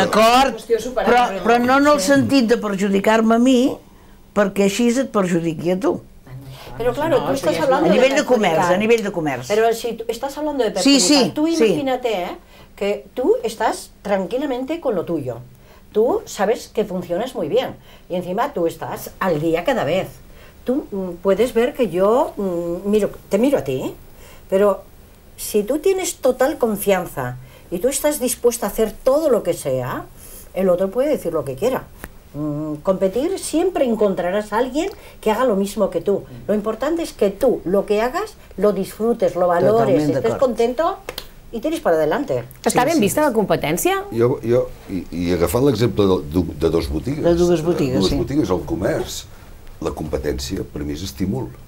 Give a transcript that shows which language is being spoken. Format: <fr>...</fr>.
<ca>D'acord, però no en el sentit de perjudicar-me a mi, perquè així et perjudiqui a tu.</ca> <es>Pero claro, tú estás hablando a nivel de comercio, a nivel de comercio. Pero si estás hablando de perjudicar, sí, sí, tú imagínate que tú estás tranquilamente con lo tuyo. Tú sabes que funcionas muy bien y encima tú estás al día cada vez. Tú puedes ver que yo te miro a ti, pero si tú tienes total confianza y tú estás dispuesta a hacer todo lo que sea, el otro puede decir lo que quiera. Competir, siempre encontrarás a alguien que haga lo mismo que tú. Lo importante es que tú lo que hagas lo disfrutes, lo valores, estés contento y tienes para adelante.</es> <ca>Està ben vista la competència? Jo, i agafant l'exemple de dos botigues. De dues botigues, sí. Dues botigues, el comerç, la competència per mi és estímul.</ca>